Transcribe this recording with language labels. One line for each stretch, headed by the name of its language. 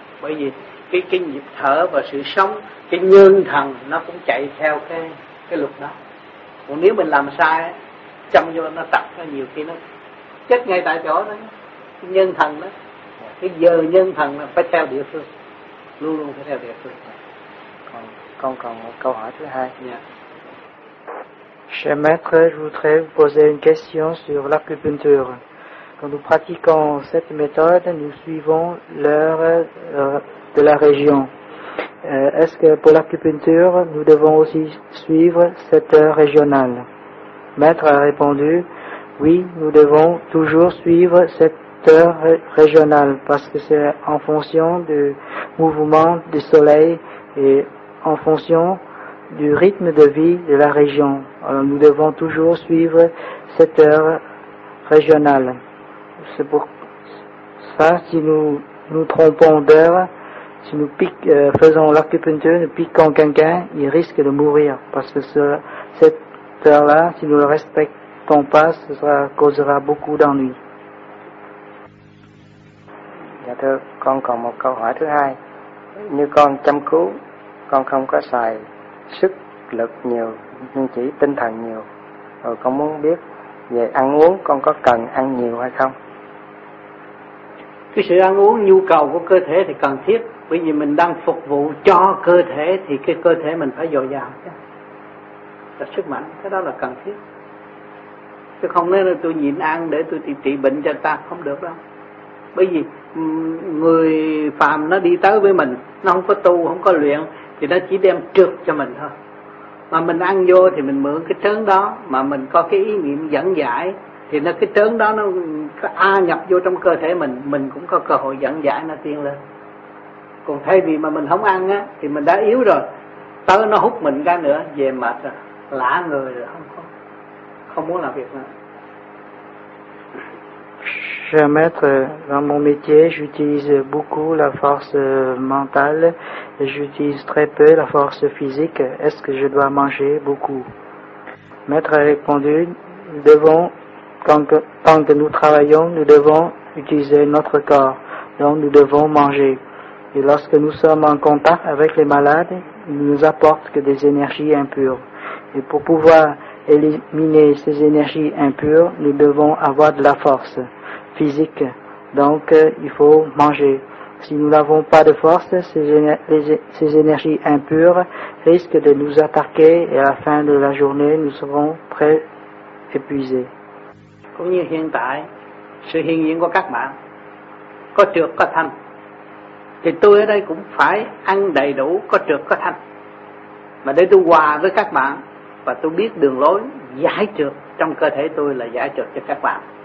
Vietnamese: Bởi vì cái nhịp thở và sự sống, cái nhân thần nó cũng chạy theo cái luật đó. Còn nếu mình làm sai, chăm vô nó tập, nó nhiều khi nó chết ngay tại chỗ đó. Cái nhân thần đó, cái giờ nhân thần nó phải theo địa phương. Luôn luôn phải theo địa phương. Còn một câu hỏi thứ hai. Dạ.
French: Cher maître, je voudrais vous poser une question sur l'acupuncture. Quand nous pratiquons cette méthode, nous suivons l'heure de la région. Est-ce que pour l'acupuncture, nous devons aussi suivre cette heure régionale? Maître a répondu, oui, nous devons toujours suivre cette heure régionale parce que c'est en fonction du mouvement du soleil et en fonction du rythme de vie de la région. Alors nous devons toujours suivre cette heure régionale. C'est pour ça, si nous trompons d'heure, si nous faisons l'acupuncture, nous piquons quelqu'un, il risque de mourir. Parce que cette heure-là, si nous ne le respectons pas, ça causera beaucoup d'ennui.
Vietnamese: Con còn một câu hỏi thứ hai. Như con chăm cứu, con không có xài sức lực nhiều, nhưng chỉ tinh thần nhiều. Rồi con muốn biết về ăn uống con có cần ăn nhiều hay không? Cái sự ăn uống nhu cầu của cơ thể thì cần thiết, bởi vì mình đang phục vụ cho cơ thể thì cái cơ thể mình phải dồi dào chứ, sức mạnh, cái đó là cần thiết. Chứ không nên là tôi nhịn ăn để tôi trị bệnh cho ta, không được đâu. Bởi vì người phàm nó đi tới với mình, nó không có tu, không có luyện, thì nó chỉ đem trượt cho mình thôi. Mà mình ăn vô thì mình mượn cái trớn đó, mà mình có cái ý niệm dẫn giải, thì nó cái trớn đó nó có a nhập vô trong cơ thể mình cũng có cơ hội dẫn giải nó tiên lên. Còn thay vì mà mình không ăn á, thì mình đã yếu rồi, tới nó hút mình ra nữa, về mệt rồi, lã người rồi, không muốn làm việc nữa.
French: Cher maître, dans mon métier, j'utilise beaucoup la force mentale et j'utilise très peu la force physique. Est-ce que je dois manger beaucoup? Maître a répondu, tant que nous travaillons, nous devons utiliser notre corps, donc nous devons manger. Et lorsque nous sommes en contact avec les malades, ils ne nous apportent que des énergies impures. Et pour pouvoir éliminer ces énergies impures, nous devons avoir de la force physique, donc il faut manger. Si nous n'avons pas de force, ces énergies impures risquent de nous attaquer et à la fin de la journée, nous serons très épuisés.
Vietnamese: Cũng như hiện tại, sự hiện diện của các bạn, có trược có thanh, thì tôi ở đây cũng phải ăn đầy đủ có trược có thanh. Mà để tôi hòa với các bạn, và tôi biết đường lối giải trược trong cơ thể tôi là giải trược cho các bạn.